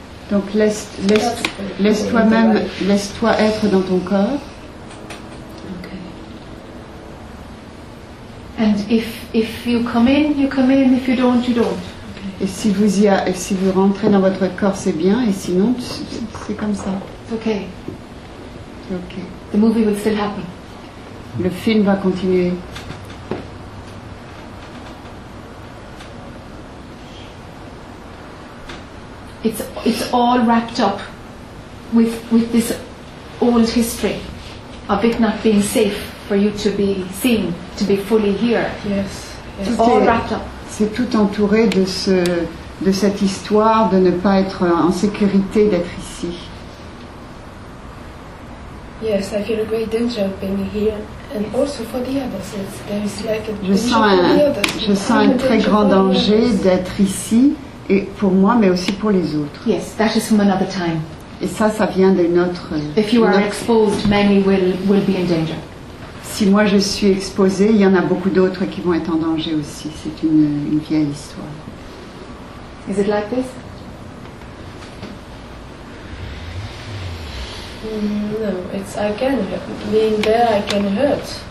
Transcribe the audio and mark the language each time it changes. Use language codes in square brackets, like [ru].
[fr] Donc laisse toi-même, laisse-toi être dans ton corps. [en] Okay. And if you come in, you come in. If you don't, you don't. Okay. [fr] Et si vous y a, et si vous rentrez dans votre corps, c'est bien. Et sinon, c'est comme ça. [en] Okay. The movie will still happen. [fr] Le film va continuer. [en] It's all wrapped up with this old history of it not being safe for you to be seen, to be fully here. Yes. It's all wrapped up. [fr] C'est tout entouré de cette histoire de ne pas être en sécurité d'être ici. [en] Yes, I feel a great danger of being here, and also for the others. There is like a [fr] Je sens un très grand danger d'être ici, et pour moi, mais aussi pour les autres. [en] Yes, that is from another time. [fr] Et ça vient d'une autre. [en] If you are exposed, many will be in danger. [fr] Si moi je suis exposée, il y en a beaucoup d'autres qui vont être en danger aussi. C'est une vieille histoire. [en] Is it like this? No, it's I can being there. I can hurt.